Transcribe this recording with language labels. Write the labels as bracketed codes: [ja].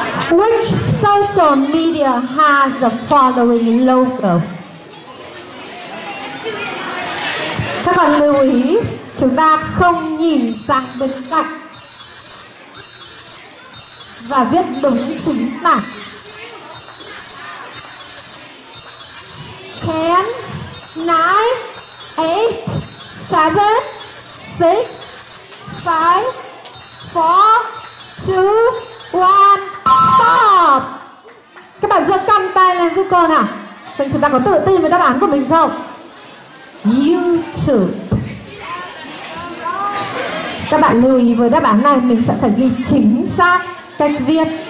[en] Which social media has the following logo? [vi] Các bạn lưu ý, chúng ta không nhìn sang bên cạnh và viết đúng chính tả. [en] Ten, nine, eight, seven, six, five, four, two, one, stop. [vi] Các bạn giơ căng tay lên giúp cô nào. Thì chúng ta có tự tin với đáp án của mình không? [en] YouTube. [vi] Các bạn lưu ý với đáp án này, mình sẽ phải ghi chính xác cách viết.